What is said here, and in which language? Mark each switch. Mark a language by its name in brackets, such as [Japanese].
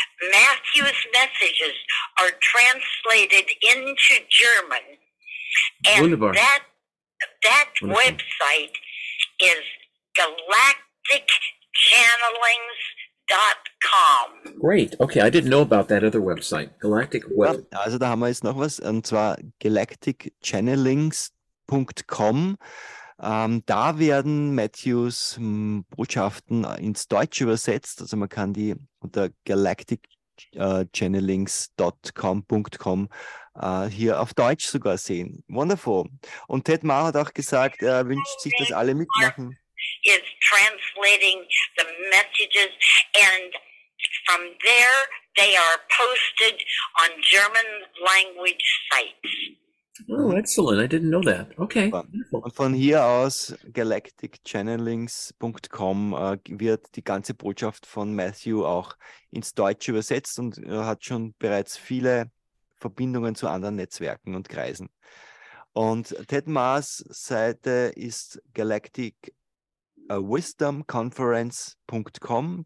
[English] Matthew's messages are translated into German. And [German] wunderbar. [English] That website is galacticchannelings.com. Great. Okay, I didn't know about that other website. Galactic web. [German] Also da haben wir jetzt noch was, und zwar galacticchannelings.com. Da werden Matthews Botschaften ins Deutsche übersetzt. Also man kann die unter galacticchannelings.com.com hier auf Deutsch sogar sehen. [English] Wonderful. [German] Und Ted Ma hat auch gesagt, er wünscht sich, dass alle mitmachen. [English] Is translating the messages and from there they are posted on German language sites. Oh, excellent. I didn't know that. Okay. [German] Und von hier aus galacticchannelings.com wird die ganze Botschaft von Matthew auch ins Deutsche übersetzt und hat schon bereits viele Verbindungen zu anderen Netzwerken und Kreisen. Und Ted Ma's Seite ist galacticwisdomconference.com.